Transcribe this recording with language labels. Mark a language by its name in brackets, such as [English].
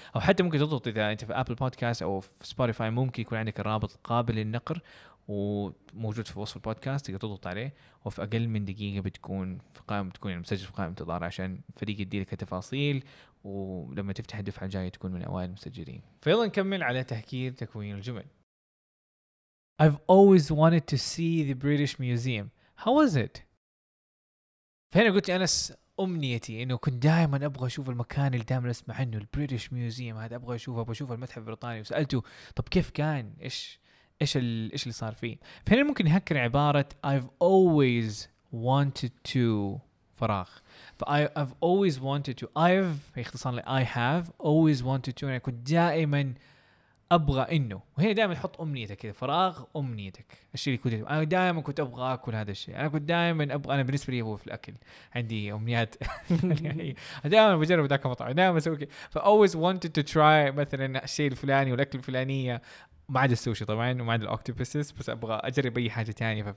[Arabic] أو حتى ممكن تضغط إذا أنت في أبل بودكاست أو في سبوتيفاي ممكن يكون عندك الرابط قابل للنقر وموجود في وصف البودكاست، تقدر تضغط عليه وفي أقل من دقيقة بتكون في قائمة، بتكون يعني مسجل في قائمة انتظار عشان فريق يديلك التفاصيل ولما تفتح الدفعة الجاية تكون من أوائل المسجلين. فيلا نكمل على تهكير تكوين الجمل. [English] I've always wanted to see the British Museum. How was it? [Arabic] فهنا قلت أنس أمنيتي إنه كنت دائما أبغى أشوف المكان اللي دائما أسمع عنه الـ British Museum، هذا أبغى أشوفه، أبغى أشوف المتحف البريطاني. وسألته طب كيف كان، إيش اللي صار فيه. فهنا ممكن نهكر عبارة [English] I've always wanted to [Arabic] فراغ. [English] I've always wanted to. I've [Arabic] اختصار لـ [English] I have always wanted to. [Arabic] يعني كنت دائما ابغى انه، وهنا دائما تحط امنيتك كذا فراغ امنيتك الشيء اللي كنت انا دائما كنت ابغى اكل هذا الشيء، انا كنت دائما ابغى، انا بالنسبه لي هو في الاكل عندي امنيات دائما بجرب ذاك المطعم، دائما اسوي ف [English] always wanted to try [Arabic] مثلا الشيء الفلاني والاكل الفلانيه، ما عدا السوشي طبعا وما عدا الاوكتوبسس، بس ابغى اجرب اي حاجه ثانيه.